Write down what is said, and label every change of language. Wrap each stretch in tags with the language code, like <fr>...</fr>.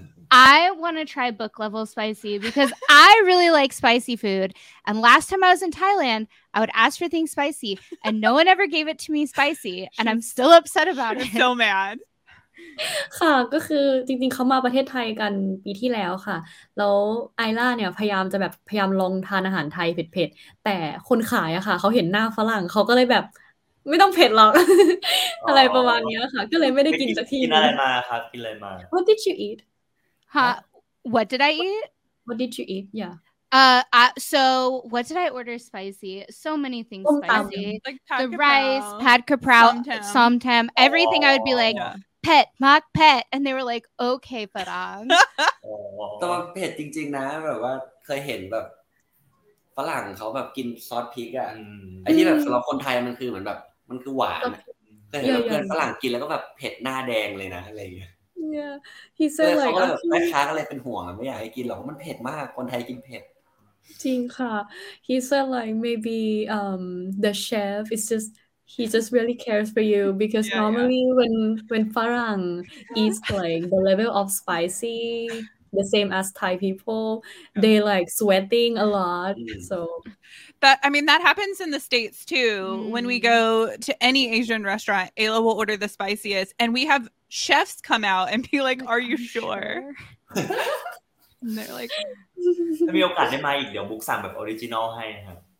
<en>I want to try book level spicy because I really like spicy food and last time I was in Thailand I would ask for things spicy and no one ever gave it to me spicy and I'm still upset about it so mad</en> <th>ค่ะก็คือจริงๆเขามาประเทศไทยกันปีที่แล้วค่ะแล้วไอล่าเนี่ยพยายามจะแบบพยายามลองทานอาหารไทยเผ็ดๆแต่คนขายอะค่ะเขาเห็นหน้าฝรั่งเขาก็เลยแบบไม่ต้องเผ็ดหรอกอะไรประมาณนี้ค่ะก็เลยไม่ได้กินสักที กินอะไรมาครับกินอะไรมา</th> <en>What did you eat</en> <th>ฮะ</th> <en>What did I eat What did you eat yeah So what did I order spicy? So many things spicy. The rice, pad kaprao, som tam, everything. I would be like, pet, mak pet, and they were like, okay, parang.</en> <th>ต้องเผ็ดจริงๆนะแบบว่าเคยเห็นแบบฝรั่งเขาแบบกินซอสพริกอ่ะไอ้ที่แบบสำหรับคนไทยมันคือเหมือนแบบมันคือหวานแต่เห็นเพื่อนฝรั่งกินแล้วก็แบบเผ็ดหน้าแดงเลยนะอะไรอย่างเงี้ย เนี่ย</th> <en>he said like</en> <th>แม่ค้าก็เลยเป็นห่วงอ่ะไม่อยากให้กินหรอกมันเผ็ดมากคนไทยกินเผ็ด จริงค่ะ</th> <en>he said like maybe the chef is just he just really cares for you because normally when Farang eats like the level of spicy the same as Thai people they like sweating a lot so that I mean that happens in the States too when we go to any Asian restaurant Ayla will order the spiciest and we havechefs come out and be like are you sure and they're like</en> <th>ถ้ามีโอกาสได้มาอีกเดี๋ยวบุ๊กสั่งแบบออริจินอลให้ครับ</th>